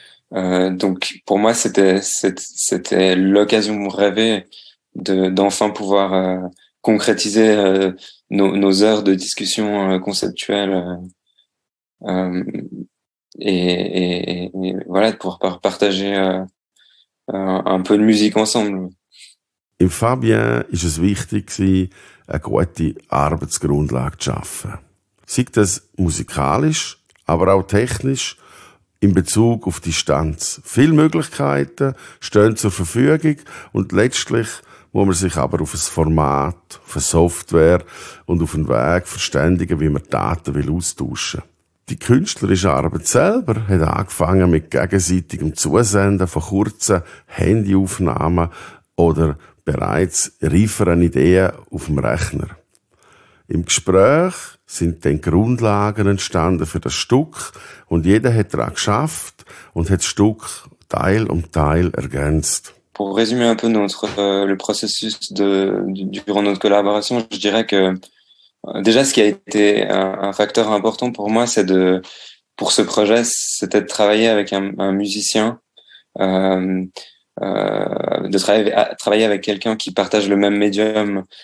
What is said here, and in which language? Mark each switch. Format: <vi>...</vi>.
<fr>Donc, pour moi, c'était l'occasion rêvée d'enfin pouvoir concrétiser nos heures de discussion conceptuelle et voilà, de pouvoir partager un peu de musique ensemble.</fr> <de>Im Fabien ist es wichtig gewesen, eine gute Arbeitsgrundlage zu schaffen. Sei das musikalisch, aber auch technisch in Bezug auf Distanz. Viele Möglichkeiten stehen zur Verfügung und letztlich muss man sich aber auf ein Format, auf eine Software und auf einen Weg verständigen, wie man Daten will austauschen will. Die künstlerische Arbeit selber hat angefangen mit gegenseitigem Zusenden von kurzen Handyaufnahmen oder bereits reiferen Ideen auf dem Rechner. Im Gespräch sind dann Grundlagen entstanden für das Stück und jeder hat daran geschafft und hat das Stück Teil um Teil ergänzt.</de> <fr>Pour résumer un peu le processus durant notre collaboration, je dirais que déjà ce qui a été un facteur important pour moi, pour ce projet, c'était de travailler avec un musicien, travailler avec quelqu'un qui partage le même médium.</fr>